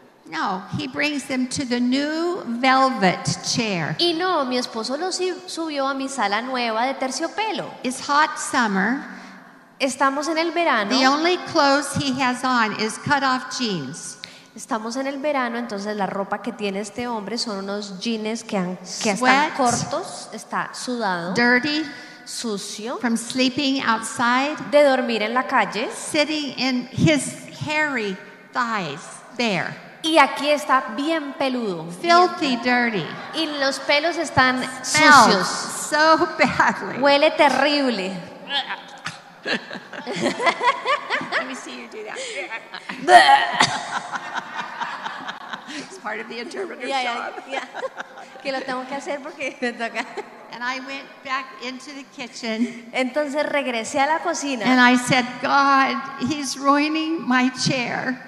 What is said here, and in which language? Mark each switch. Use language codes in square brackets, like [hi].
[en] No, he brings them to the new velvet chair. [es] Y no, mi esposo lo subió a mi sala nueva de terciopelo. [en] It's hot summer. [es] Estamos en el verano. [en] The only clothes he has on is cut-off jeans. [es] Estamos en el verano, entonces la ropa que tiene este hombre son unos jeans que [en] sweat, [es] están cortos, está sudado. [en] Dirty. [es] Sucio. [en] From sleeping outside. [es] De dormir en la calle. [en] Sitting in his hairy thighs there. [es] Y aquí está bien peludo. [en] Filthy, dirty. [es] Y los pelos están [en] smells [es] sucios. [en] So badly. [es] Huele terrible. [en] Let me see you do that. It's part of the interpreter's job. [es] Que lo tengo que hacer porque me toca. [en] And I went back into the kitchen. [es] Entonces regresé a la cocina. [en] And I said, "God, he's ruining my chair."